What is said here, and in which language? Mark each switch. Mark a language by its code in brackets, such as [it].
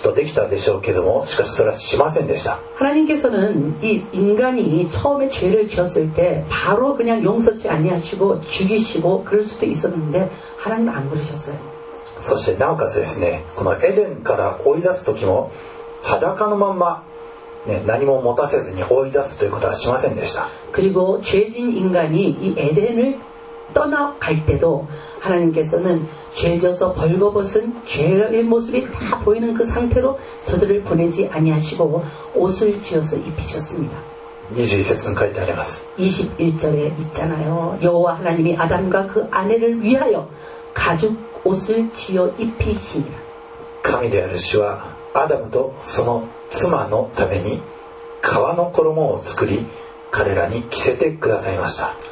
[ja] 神様は人間が罪を犯した時点でですね、すぐに滅ぼすということも、きっとできたでしょうけども、しかしそれはしませんでした。 [ko] 하나님께서는 이 인간이 처음에 죄를 지었을 때 바로 그냥 용서치 아니하시고 죽이시고 그럴 수도 있었는데 하나님 안 그러셨어요. [ja] そしてなおかつですね、このエデンから追い出す時も裸のまま 何も持たせずに追い出すということはしませんでした。 [ko] 그리고 죄진 인간이 이 에덴을 떠나갈 때도 하나님께서는 죄져서 벌거벗은 죄의 모습이 다 보이는 그 상태로 저들을 보내지 아니하시고 옷을 지어서 입히셨습니다. 21절에 있잖아요. 여호와 하나님이 아담과 그 아내를 위하여 가죽 옷을 지어 입히시니라. [ja] 神である主はアダムとその妻のために革の衣を作り彼らに着せてくださいました。